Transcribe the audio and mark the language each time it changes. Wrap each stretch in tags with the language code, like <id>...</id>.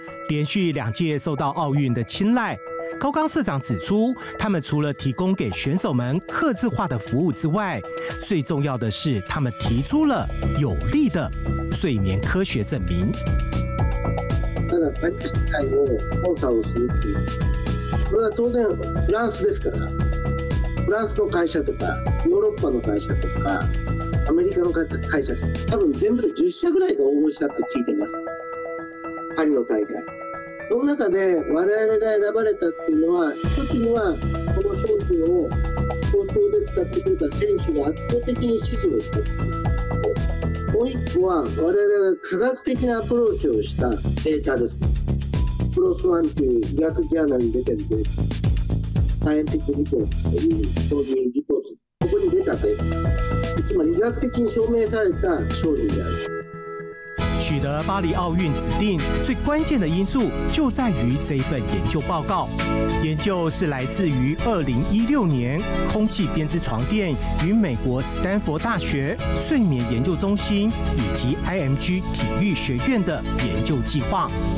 <zh>连续两届受到奥运的青睐，高冈社长指出，他们除了提供给选手们客制化的服务之外，最重要的是他们提出了有力的睡眠科学证明。那个本体在我们公司里，那当然</zh> <ja>フランスですから。フランスの会社とかヨーロッパの会社とかアメリカの会社とか、多分全部で10社ぐらいが応募したって聞いてます。パリの大会。その中で我々が選ばれたっていうのは、一つにはこの商品を東京で使ってくれた選手が圧倒的に支持をした。もう一個は我々が科学的なアプローチをしたデータです。クロスワンという医学ジャーナルに出てるデータ。サイエンティックリポートという商品リポート。ここに出たデータ。つまり医学的に証明された商品である。</ja> <zh>取得巴黎奥运指定最关键的因素就在于这份研究报告。研究是来自于2016年空气编织床垫与美国斯坦福大学睡眠研究中心以及 IMG 体育学院的研究计划。</zh>